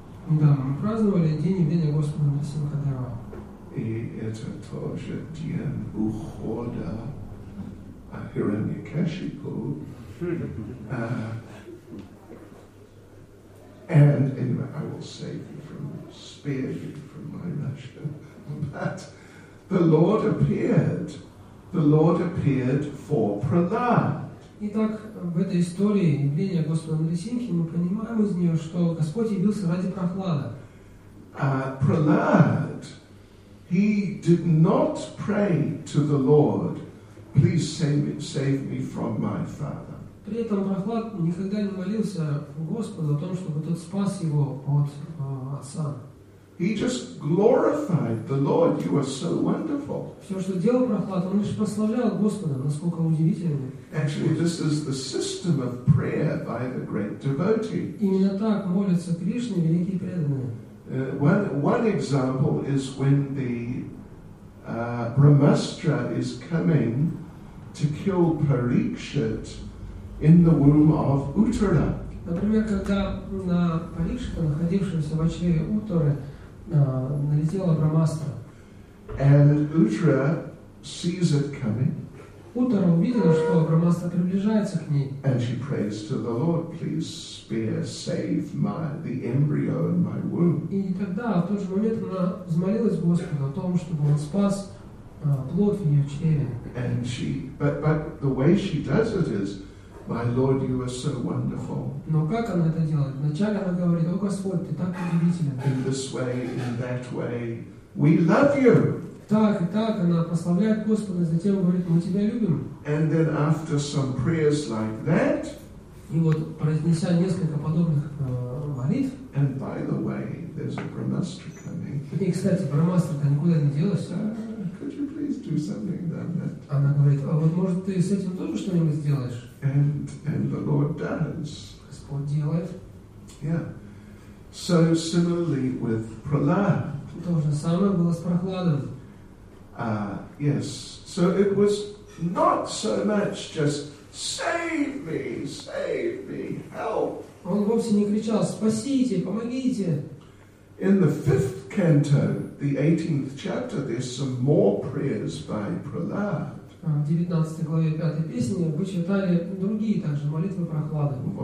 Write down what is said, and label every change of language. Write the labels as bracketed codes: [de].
[ru] Да, мы праздновали День Явления Господа Васудева. И это тоже день ухода Хираньякашипу. [en] And anyway, I will spare you from my Russian. But the Lord appeared for Prahlad. [ru] Итак, в этой истории явления Господа Нарисимхи мы понимаем из нее, что Господь явился ради Прохлада. [en] Prahlad. He did not pray to the Lord, "Please save me from my father." [ru] При этом Прохлад никогда не молился Господу о том, чтобы тот спас его от отца. [en] He just glorified the Lord. You are so wonderful. [ru] Все, что делал Прохлад, он лишь прославлял Господа, насколько удивительно. [en] Actually, this is the system of prayer by the great devotee. [ru] Именно так молятся Кришне великие преданные. [en] One example is when the Brahmastra is coming to kill Parikshit in the womb of Uttara. [ru] Например, когда на Парикшита, находившегося в чреве Уттары, налетела Брахмастра. [en] And Uttara sees it coming. [ru] Уттара увидела, что Брахмастра приближается к ней. [en] And she prays to the Lord, "Please spare, save the embryo in my womb." [ru] И тогда, в тот же момент, она взмолилась Господу о том, чтобы Он спас плод в ее чреве. [en] And she, but the way she does it is, My Lord, you are so wonderful. [ru] Но как она это делает? Вначале она говорит: «О Господь, ты так удивителен». [en] In this way, in that way, we love you. [ru] Так и так она прославляет Господа, затем говорит: «Мы тебя любим». [en] And then after some prayers like that. [ru] И вот произнеся несколько подобных молитв. [en] And by the way, there's a brahmastra coming. [ru] И кстати, брахмастра никуда не делась. [en] Could you please do something about that? [ru] Она говорит: «А вот может ты с этим тоже что-нибудь сделаешь?» [en] And the Lord does. [ru] Господь делает. [en] Yeah. So similarly with Prahlad. [ru] То же самое было с Прохладом. [en] Yes. So it was not so much just save me, save me, help. [ru] Он вовсе не кричал: спасите, помогите. [en] In the fifth canto, the 18th chapter, there's some more prayers by Prahlad. [ru] В 19 главе 5 песни вы читали другие также молитвы Прохлады.